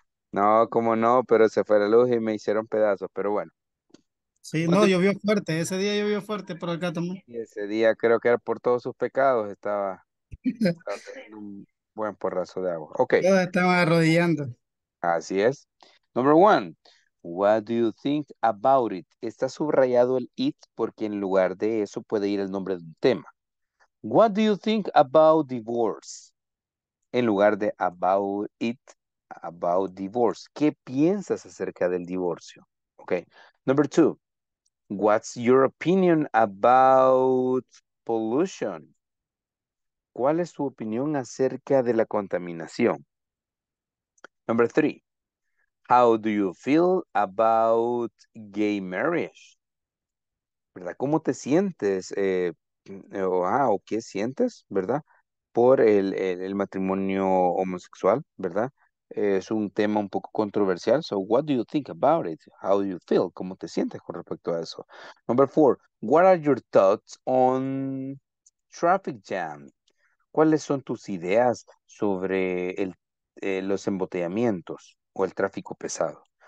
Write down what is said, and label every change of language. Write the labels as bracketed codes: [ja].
[es] No, cómo no, pero se fue la luz y me hicieron pedazos, pero bueno. Sí, no, ¿Cuándo? llovió fuerte. Ese día llovió fuerte por acá también. Y ese día creo que era por todos sus pecados, estaba teniendo un buen porrazo de agua. Ok. Todos estaban arrodillando. Así es. [en] Number one, what do you think about it? [es] Está subrayado el it porque en lugar de eso puede ir el nombre de un tema. [en] What do you think about divorce? [es] En lugar de [en] about it, about divorce. [es] ¿Qué piensas acerca del divorcio? Ok. [en] Number two, what's your opinion about pollution? [es] ¿Cuál es tu opinión acerca de la contaminación? [en] Number three, how do you feel about gay marriage? [es] ¿Verdad? ¿Cómo te sientes? ¿O qué sientes, verdad? Por el matrimonio homosexual, ¿verdad? Es un tema un poco controversial. [en] So, what do you think about it? How do you feel? [es] ¿Cómo te sientes con respecto a eso? [en] Number four, what are your thoughts on traffic jam? [es] ¿Cuáles son tus ideas sobre los embotellamientos o el tráfico pesado?